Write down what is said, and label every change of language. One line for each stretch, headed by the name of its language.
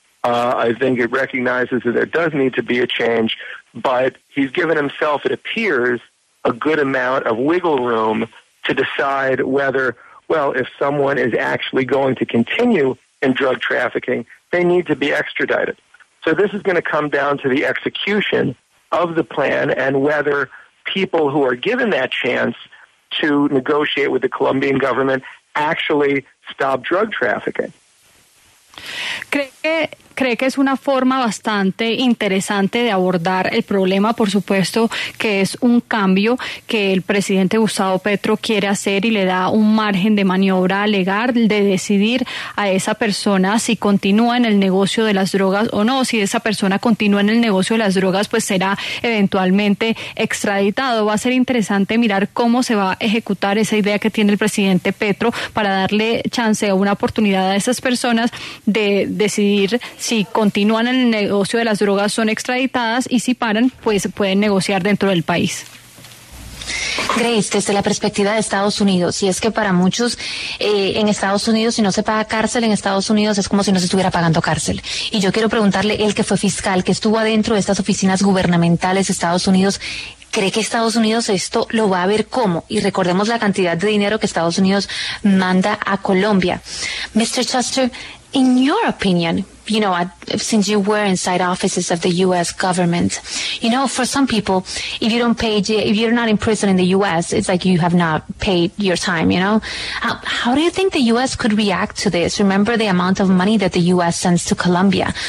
English: I think it recognizes that there does need to be a change, but he's given himself, it appears, a good amount of wiggle room to decide whether, well, if someone is actually going to continue in drug trafficking, they need to be extradited. So this is going to come down to the execution of the plan and whether people who are given that chance to negotiate with the Colombian government actually stop drug trafficking.
Spanish: ¿Cree que es una forma bastante interesante de abordar el problema? Por supuesto que es un cambio que el presidente Gustavo Petro quiere hacer y le da un margen de maniobra legal de decidir a esa persona si continúa en el negocio de las drogas o no. Si esa persona continúa en el negocio de las drogas, pues será eventualmente extraditado. Va a ser interesante mirar cómo se va a ejecutar esa idea que tiene el presidente Petro para darle chance o una oportunidad a esas personas de decidir si continúan en el negocio de las drogas, son extraditadas, y si paran, pues pueden negociar dentro del país. Grace, desde la perspectiva de Estados Unidos, si es que para muchos en Estados Unidos, si no se paga cárcel en Estados Unidos, es como si no se estuviera pagando cárcel. Y yo quiero preguntarle, él que fue fiscal, que estuvo adentro de estas oficinas gubernamentales de Estados Unidos, ¿cree que Estados Unidos esto lo va a ver cómo? Y recordemos la cantidad de dinero que Estados Unidos manda a Colombia.
English: Mr. Shuster, in your opinion, you know, since you were inside offices of the U.S. government, you know, for some people, if you don't pay, if you're not in prison in the U.S., it's like you have not paid your time, you know? How do you think the U.S. could react to this? Remember the amount of money that the U.S. sends to Colombia.